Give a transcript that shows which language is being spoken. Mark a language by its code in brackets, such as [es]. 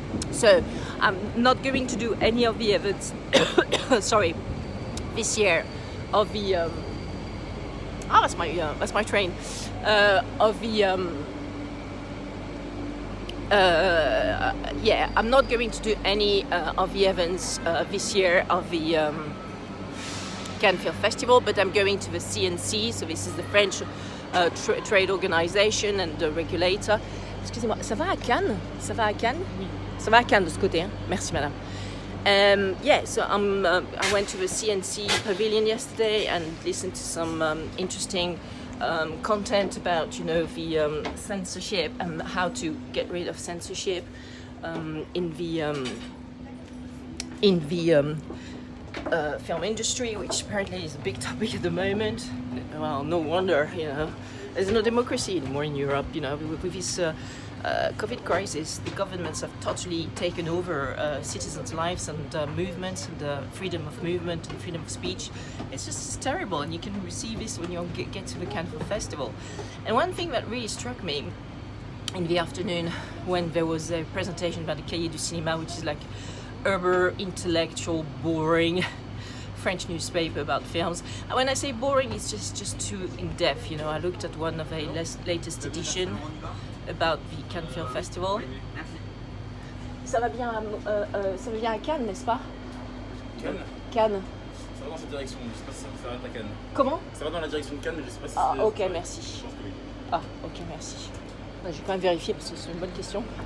[en] So I'm not going to do any of the events, sorry, this year, of the, I'm not going to do any of the events this year of the Cannes Film Festival, but I'm going to the CNC, so this is the French trade organization and the regulator. [fr] Excusez-moi, ça va à Cannes? Ça va à Cannes? Ça va à Cannes de ce côté, hein? Merci madame. [en] I went to the CNC pavilion yesterday and listened to some interesting content about, you know, the censorship and how to get rid of censorship in the film industry, which apparently is a big topic at the moment. Well, no wonder, you know, there's no democracy anymore in Europe. You know, with this COVID crisis, the governments have totally taken over citizens' lives and movements and freedom of movement and freedom of speech. It's just, it's terrible, and you can receive this when you get to the Cannes Festival. And one thing that really struck me in the afternoon when there was a presentation about the Cahiers du Cinéma, which is like uber intellectual, boring French newspaper about films. And when I say boring, it's just too in-depth, you know. I looked at one of the latest edition about the Cannes Film Festival. [fr] Ça va bien, ça va bien à Cannes, n'est-ce pas? Cannes. Cannes. Ça va dans cette direction. Je ne sais pas si ça va à Cannes. Comment? Ça va dans la direction de Cannes, mais je ne sais pas si. Ah, ok, merci. Ah, ok, merci. Je vais quand même vérifier parce que c'est une bonne question.